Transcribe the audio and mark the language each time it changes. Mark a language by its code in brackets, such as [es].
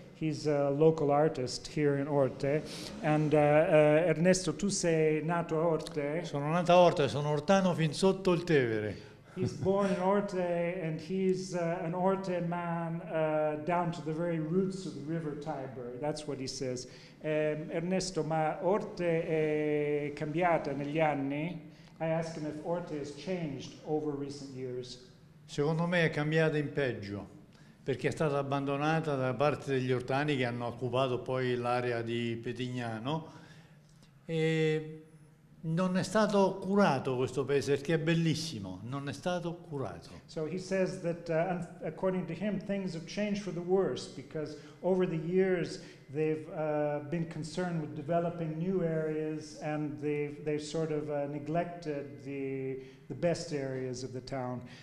[en] He's a local artist here in Orte. [it] And Ernesto, tu sei nato a Orte. Sono nato a Orte, sono ortano fin sotto il Tevere. [en] He's born in Orte, and he's an Orte man down to the very roots of the River Tiber. That's what he says. [it] Ernesto, ma Orte è cambiata negli anni? [en] I asked him if Orte has changed over recent years. [it] Secondo me è cambiata in peggio, perché è stata abbandonata da parte degli ortani che hanno occupato poi l'area di Petignano e non è stato curato questo paese, che è bellissimo, non è stato curato. [en] So he says that according to him things have changed for the worse because over the years they've been concerned with developing new areas and they've sort of neglected the best areas of the town.